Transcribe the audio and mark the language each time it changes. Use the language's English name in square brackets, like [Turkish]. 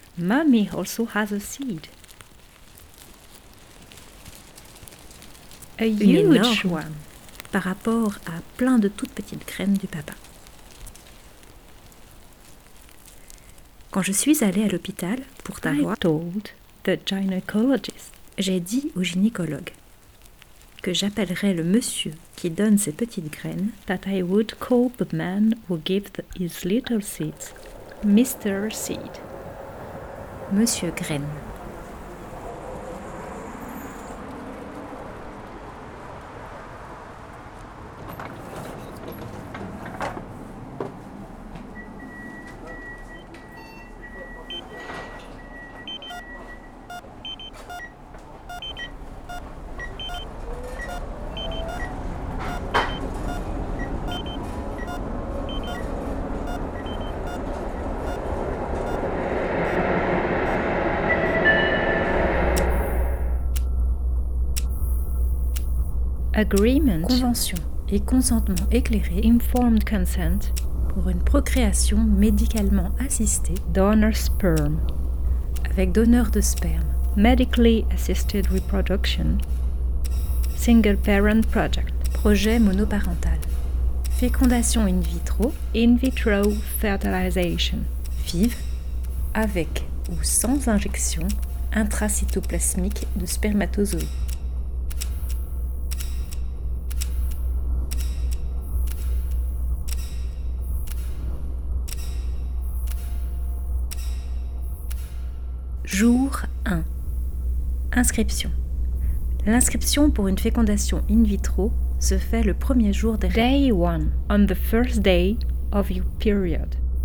[English] Mommy also has a seed. A huge one. [French] Par rapport à plein de toutes petites graines du papa. Quand je suis allée à l'hôpital pour t'avoir, [English] I told the gynecologist. [French] J'ai dit au gynécologue que j'appellerai le monsieur qui donne ses petites graines. [English] That I would call the man who gives his little seeds, Mr. Seed. [French] Monsieur Graine. [English] Agreement, [French] convention et consentement éclairé, [English] informed consent, [French] pour une procréation médicalement assistée, [English] donor sperm, [French] avec donneur de sperme, [English] medically assisted reproduction, single parent project, [French] projet monoparental, fécondation [English] in vitro fertilization, [French] FIV, avec ou sans injection intracytoplasmique de spermatozoïdes. Jour 1. Inscription. L'inscription pour une fécondation in vitro se fait le premier jour des [English] règles. Day 1. On the first day of your period.